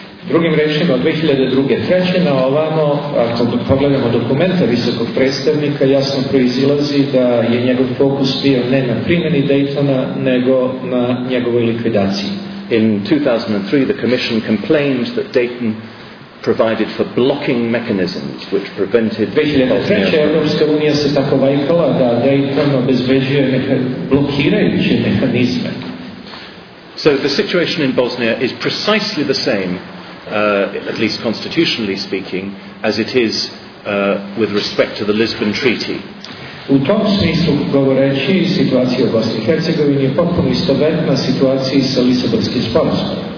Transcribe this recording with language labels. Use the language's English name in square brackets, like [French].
[Serbian] Drugim rečima, 2002-2003. na ovamo, ako pogledamo dokumenta visokog predstavnika, jasno proizilazi da je njegov fokus bio ne na primjeni Daytona, nego na njegovoj likvidaciji. [English] In 2003, the Commission complained that Dayton provided for blocking mechanisms which prevented [Serbian] 2003. Evropska unija se tako vajkala da Dayton obezbeđuje blokirajuće mehanizme. [English] So the situation in Bosnia is precisely the same, at least constitutionally speaking, as it is with respect to the Lisbon Treaty. [Serbian] U tom smislu govoreći, situacija u Bosni i Hercegovini je potpuno istovetna situaciji sa Lisabonskim sporazumom.